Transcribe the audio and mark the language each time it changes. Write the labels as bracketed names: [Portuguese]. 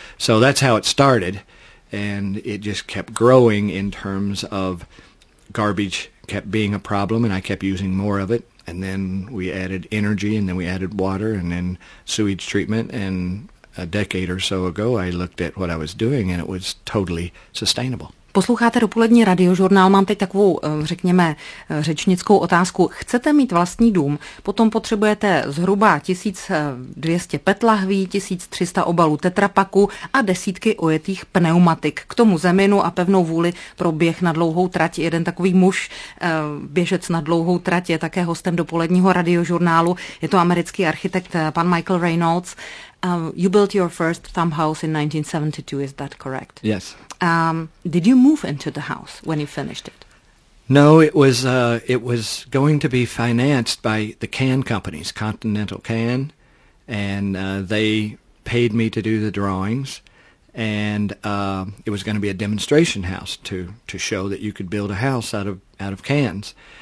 [English] So that's how it started, and it just kept growing in terms of garbage kept being a problem, and I kept using more of it. And then we added energy, and then we added water, and then sewage treatment. And a decade or so ago, I looked at what I was doing, and it was totally sustainable. [Czech] Posloucháte dopolední radiožurnál, mám teď takovou, řekněme, řečnickou otázku. Chcete mít vlastní dům, potom potřebujete zhruba 1200 PET lahví, 1300 obalů tetrapaku a desítky ojetých pneumatik. K tomu zeminu a pevnou vůli pro běh na dlouhou trať. Jeden takový muž, běžec na dlouhou trať, je také hostem dopoledního radiožurnálu. Je to americký architekt, pan Michael Reynolds. [English] You built your first thumb house in 1972, is that correct? Yes. Did you move into the house when you finished it? No, it was going to be financed by the can companies, Continental Can, and they paid me to do the drawings, and it was going to be a demonstration house to show that you could build a house out of cans.